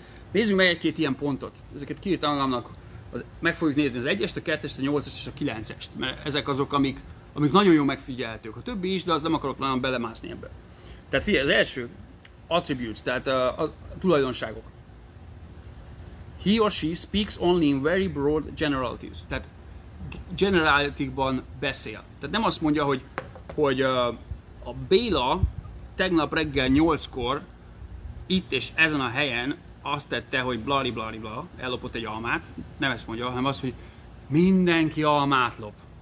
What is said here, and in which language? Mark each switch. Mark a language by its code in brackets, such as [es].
[hu] Nézzük meg egy-két ilyen pontot. Ezeket kiírtam magamnak. Meg fogjuk nézni az 1-est, a 2-est, a 8-est és a 9-est, mert ezek azok, amik nagyon jól megfigyelhetők. A többi is, de az nem akarok nagyon belemászni ebbe. Tehát figyelj, az első attributes, tehát a tulajdonságok. [en] He or she speaks only in very broad generalities. [hu] Tehát generalitikban beszél. Tehát nem azt mondja, hogy a Béla tegnap reggel 8-kor itt és ezen a helyen azt tette, hogy blari-blari-bla, ellopott egy almát, nem ezt mondja, hanem azt, hogy mindenki almát lop.